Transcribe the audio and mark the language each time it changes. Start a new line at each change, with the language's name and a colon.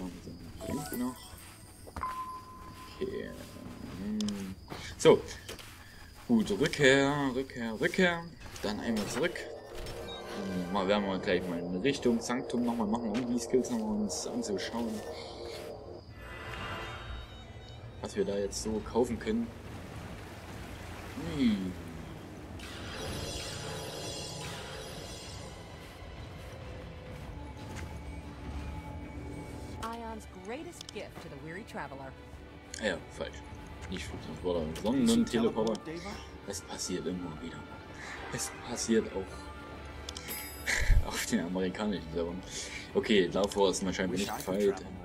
German: Und dann blinkt noch. Okay. So. Gut, Rückkehr. Dann einmal zurück. Mal werden wir gleich mal in Richtung Sanctum nochmal machen, um die Skills nochmal uns anzuschauen. Was wir da jetzt so kaufen können.
English: Ion's greatest gift to the weary traveler.
German: Ja, falsch. Nicht für Transporter, sondern Teleporter. Es passiert immer wieder. Es passiert auch auf den amerikanischen Servern. Okay, davor ist wahrscheinlich nicht gefeit.